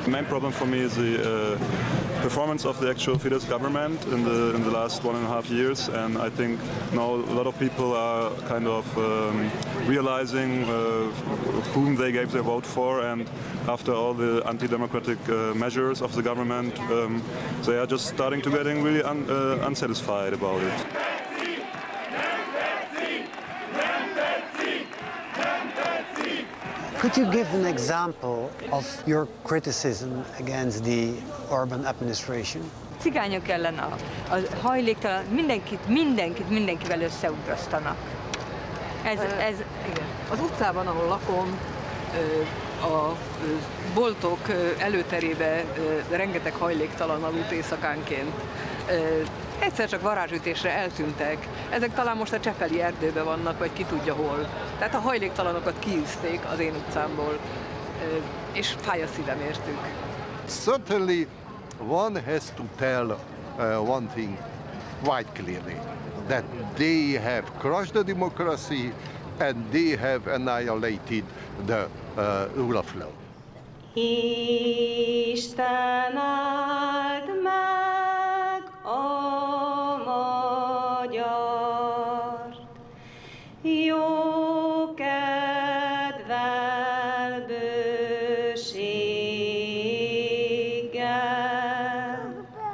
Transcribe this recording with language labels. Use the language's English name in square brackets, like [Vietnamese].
[English] The main problem for me is the performance of the actual Fidesz government in the last 1.5 years, and I think now a lot of people are kind of realizing whom they gave their vote for, and after all the anti-democratic measures of the government, they are just starting to getting really unsatisfied about it. Could you give an example of your criticism against the Orbán administration? [Hungarian] Cigányok ellen a hajléktalan, mindenkivel összeugrasztanak. Ez igen. Az utcában, ahol lakom, a boltok előterébe rengeteg hajléktalan aludt éjszakánként. Egyszer csak varázsütésre eltűntek. Ezek talán most a Csepeli erdőben vannak, vagy ki tudja hol. Tehát a hajléktalanokat kiűzték az én utcámból, és fáj a szívem értük. [English] Certainly one has to tell one thing quite clearly, that they have crushed the democracy and they have annihilated the rule of law. [Hungarian] Isten áld meg a magyart, jó kedvel, bőséggel,